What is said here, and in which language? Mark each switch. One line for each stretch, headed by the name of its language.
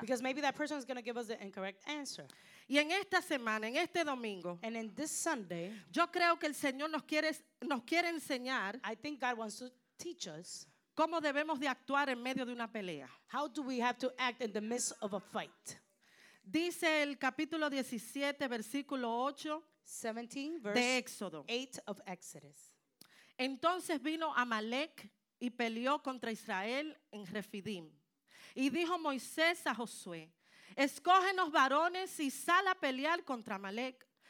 English: Because maybe that person is going to give us the incorrect answer.
Spanish: Y en esta semana, en este domingo,
English: and in this Sunday,
Spanish: yo creo que el Señor nos quiere enseñar.
English: I think God wants to teach us.
Spanish: ¿Cómo debemos de actuar en medio de una pelea?
English: How do we have to act in the midst of a fight?
Spanish: Dice el capítulo 17, versículo 8,
English: 17, verse
Spanish: de Éxodo.
English: 8 of Exodus.
Spanish: Entonces vino Amalek y peleó contra Israel en Refidim. Y dijo Moisés a Josué, escógenos varones y sal a pelear contra Amalek.